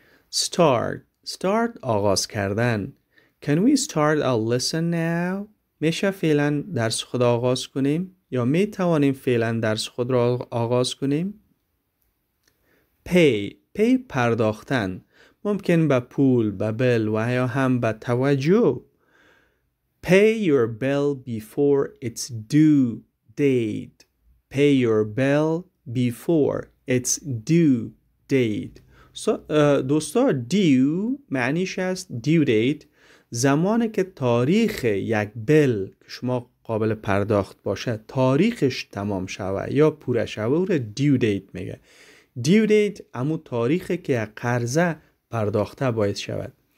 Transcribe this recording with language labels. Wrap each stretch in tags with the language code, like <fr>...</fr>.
<fa>Start آغاز کردن. Can we start a lesson now؟ میشه فعلا درس خود آغاز کنیم یا می توانیم فعلا درس خود را آغاز کنیم؟ Pay پرداختن، ممکن به پول، به بل و یا هم به توجه.</fa> <en>Pay your bill before its due date. Pay your bill before its due date.</en> <fa>So, دوستان due معنیش است due date، زمانی که تاریخ یک بل که شما قابل پرداخت باشه تاریخش تمام شوه یا پوره شوه، او رو due date میگه. Due date امو تاریخی که قرضه پرداخته باید شود.</fa>